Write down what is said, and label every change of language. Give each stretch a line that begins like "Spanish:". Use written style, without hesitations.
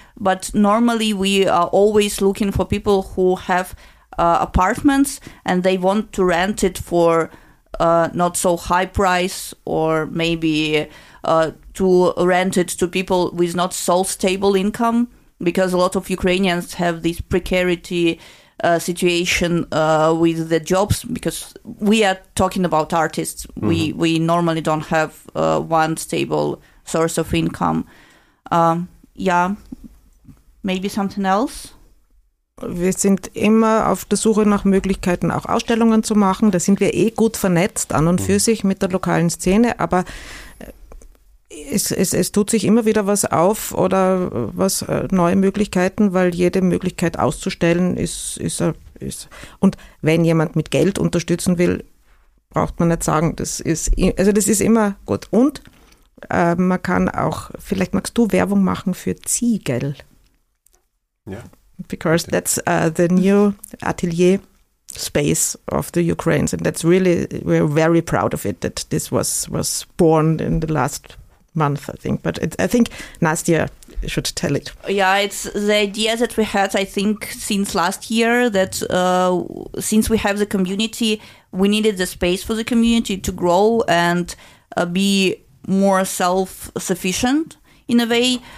English: But normally we are always looking for people who have apartments and they want to rent it for not so high price, or maybe to rent it to people with not so stable income, because a lot of Ukrainians have this precarity situation with the jobs, because we are talking about artists. Mm-hmm. We normally don't have one stable source of income. Yeah, maybe something else?
German: Wir sind immer auf der Suche nach Möglichkeiten, auch Ausstellungen zu machen. Da sind wir eh gut vernetzt an und für sich mit der lokalen Szene, aber es tut sich immer wieder was auf oder was neue Möglichkeiten, weil jede Möglichkeit auszustellen ist. Und wenn jemand mit Geld unterstützen will, braucht man nicht sagen, das ist immer gut. Und Man kann auch, vielleicht magst du Werbung machen für Ziegel. Ja.
English: Because that's the new Atelier space of the Ukrainians, and that's really, we're very proud of it, that this was born in the last month, I think. But I think Nastya should tell it. Yeah, it's the idea that we had, I think, since last year, that since we have the community, we needed the space for the community to grow and be more self-sufficient in a way.